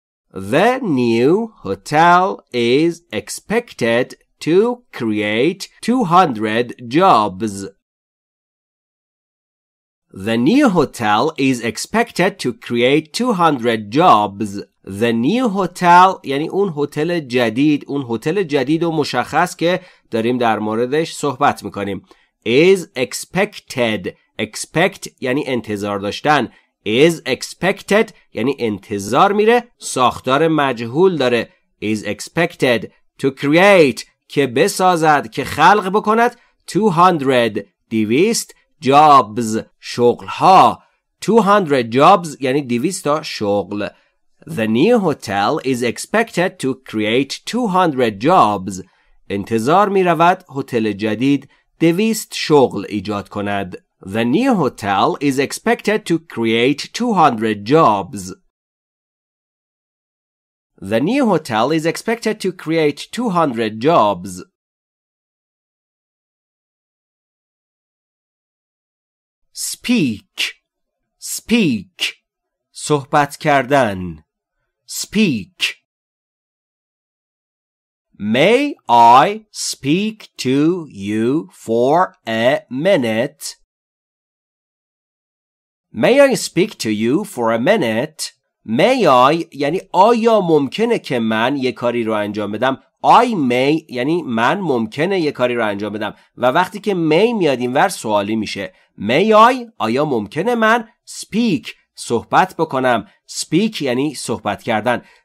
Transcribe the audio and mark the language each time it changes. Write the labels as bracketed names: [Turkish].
[English] The new hotel is expected to create 200 jobs. The new hotel is expected to create 200 jobs. The new hotel [Persian] یعنی اون هتل جدید، اون هتل جدید و مشخص که داریم در موردش صحبت میکنیم. [English] Is expected [Persian] expect یعنی انتظار داشتن. [English] Is expected [Persian] یعنی انتظار میره. ساختار مجهول داره. [English] Is expected to create [Persian] که بسازد، که خلق بکند. 200 دیویست jobs شغلها. [English] 200 jobs [Persian] یعنی 200 شغل. [English] The new hotel is expected to create 200 jobs. [Persian] انتظار می رود هتل جدید 200 شغل ایجاد کند. [English] The new hotel is expected to create 200 jobs. The new hotel is expected to create 200 jobs. Speak. Speak. [Persian] صحبت کردن. [English] Speak. May I speak to you for a minute? May I speak to you for a minute? May I [Persian] یعنی آیا ممکنه که من یه کاری رو انجام بدم؟ [English] I may [Persian] یعنی من ممکنه یه کاری رو انجام بدم و وقتی که may میاد اینور سوالی میشه. [English] May I [Persian] آیا ممکنه من speak صحبت بکنم؟ speak یعنی صحبت کردن.